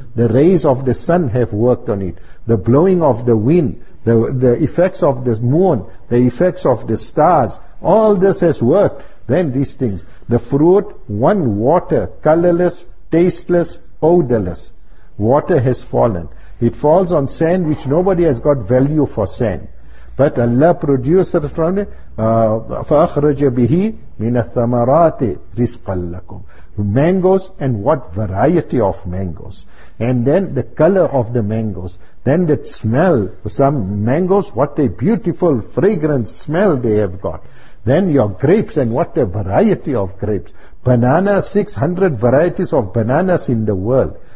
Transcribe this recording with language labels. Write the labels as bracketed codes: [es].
[en] The rays of the sun have worked on it. The blowing of the wind, the effects of the moon, the effects of the stars, all this has worked. Then these things, the fruit, one water, colorless, tasteless, odorless. Water has fallen. It falls on sand which nobody has got value for sand. But Allah produces from it, [ar] فَأَخْرَجَ بِهِ مِنَ الثَّمَرَاتِ رِزْقًا لَكُمْ. [en] Mangoes, and what variety of mangoes. And then the color of the mangoes. Then that smell, some mangoes, what a beautiful fragrant smell they have got. Then your grapes, and what a variety of grapes. Banana, 600 varieties of bananas in the world.